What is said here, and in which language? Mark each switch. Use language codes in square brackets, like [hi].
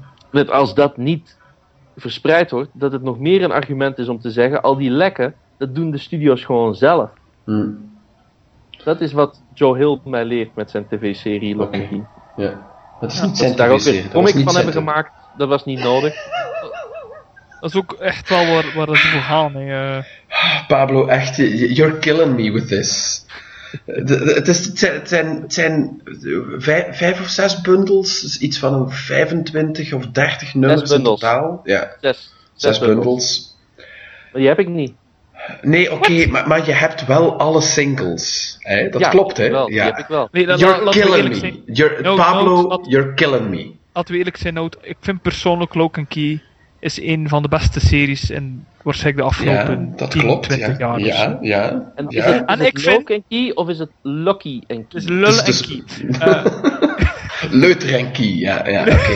[nl] dat als dat niet verspreid wordt, dat het nog meer een argument is om te zeggen, al die lekken, dat doen de studio's gewoon zelf. Mm. Dat is wat Joe Hill mij leert met zijn tv-serie Lock and Key. Ja, dat is niet zijn tv-serie. Dat was niet comic van hebben gemaakt, dat was niet nodig. Dat is ook echt wel waar dat voor gaan. Pablo, echt, [en] you're killing me with this. [nl] Het zijn 5 of 6 bundels, dus iets van 25 of 30 nummers in totaal. Ja. Zes bundels. Maar die heb ik niet. Nee, oké, maar je hebt wel alle singles. Hè? Dat klopt, hè? Wel, ja, die heb ik wel. [en] Nee, you're killing me. You're, Pablo, you're killing me. [nl] Laten we eerlijk zijn, ik vind persoonlijk Lock and Key is een van de beste series in waarschijnlijk de afgelopen 20 jaar. Ja, of zo. Ja, ja. En is het, ik vind Lok en Key of is het Lucky en Key? Is Lul en Key. Leuter en Key, ja. Ja, okay.